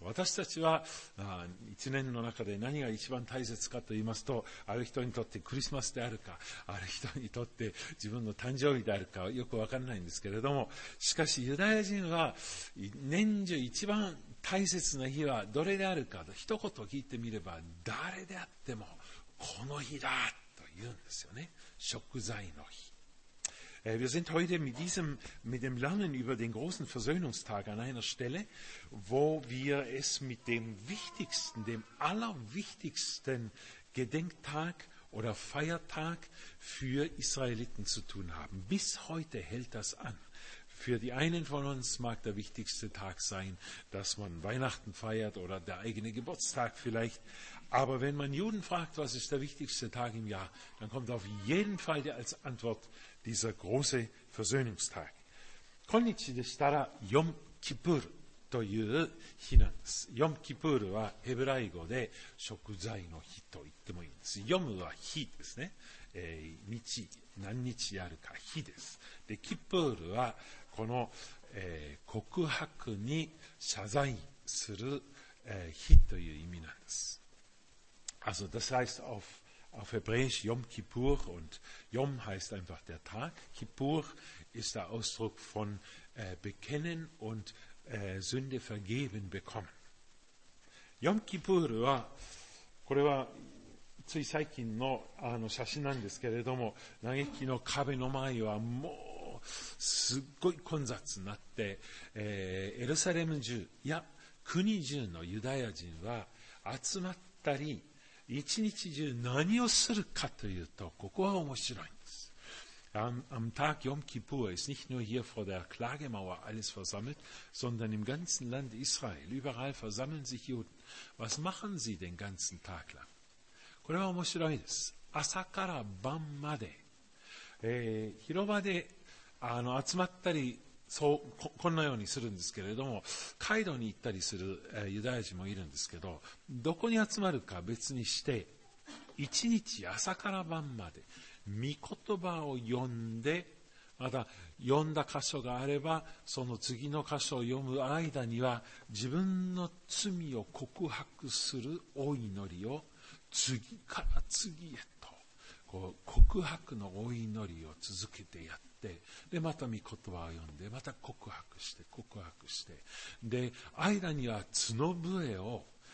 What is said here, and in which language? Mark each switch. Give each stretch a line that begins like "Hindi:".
Japanese: 私たちは1年の中で何が一番大切かと言いますと、ある人にとってクリスマスであるか、ある人にとって自分の誕生日であるかよく分からないんですけれども、しかしユダヤ人は年中一番大切な日はどれであるかと一言聞いてみれば、誰であってもこの日だと言うんですよね。食材の日。
German: Wir sind heute mit dem Lernen über den großen Versöhnungstag an einer Stelle, wo wir es mit dem wichtigsten, dem allerwichtigsten Gedenktag oder Feiertag für Israeliten zu tun haben. Bis heute hält das an. Für die einen von uns mag der wichtigste Tag sein, dass man Weihnachten feiert oder der eigene Geburtstag vielleicht. Aber wenn man Juden fragt, was ist der wichtigste Tag im Jahr, dann kommt auf jeden Fall der als Antwort dieser große Versöhnungstag.
Japanese: 今日でしたら、ヨムキプールという日なんです。ヨムキプールはヘブライ語で食材の日と言ってもいいんです。ヨムは日ですね。日、何日であるか、日です。で、キプールはこの、告白に謝罪する、日という意味なんです。
German: Also das heißt auf Hebräisch Yom Kippur, und Yom heißt einfach der Tag. Kippur ist der Ausdruck von bekennen und Sünde vergeben bekommen.
Japanese: Yom Kippur war, これはつい最近の写真なんですけれども、嘆きの壁の前はもうすっごい混雑になって、エルサレム中や国中のユダヤ人は集まったり、一日中何をするかというと、ここは面白いんです。
German: Am Tag Yom Kippur ist nicht nur hier vor der Klagemauer alles versammelt, sondern im ganzen Land Israel, überall versammeln sich Juden. Was machen sie den ganzen Tag lang?
Japanese: これは面白いです。朝から晩まで、広場で集まったり、そう こんなようにするんですけれども、カイロに行ったりする、ユダヤ人もいるんですけど、どこに集まるか別にして、一日朝から晩まで御言葉を読んで、また読んだ箇所があればその次の箇所を読む間には自分の罪を告白するお祈りを次から次へとこう告白のお祈りを続けてやって、でまた御言葉を読んで、また告白して告白して、で間には角笛を、